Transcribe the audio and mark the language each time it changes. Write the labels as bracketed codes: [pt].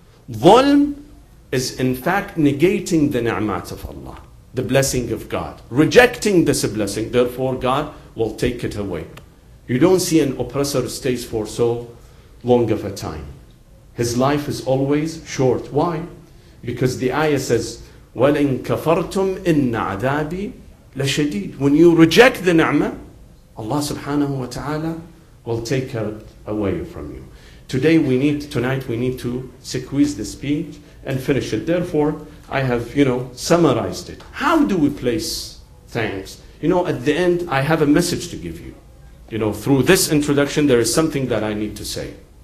[en] Dhulm is in fact negating the ni'mat of Allah, the blessing of God, rejecting this blessing, therefore God will take it away. You don't see an oppressor stays for so long of a time. His life is always short. Why? Because the ayah says, [ar] وَلَنْ كَفَرْتُمْ إِنَّ عَذَابِي لَشَدِيدٍ. [en] When you reject the ni'mah, Allah subhanahu wa ta'ala will take it away from you. today we need, tonight we need to squeeze the speech and finish it. Therefore, I have, you know, summarized it. How do we place thanks? You know, at the end, I have a message to give you. You know, through this introduction, there is something that I need to say.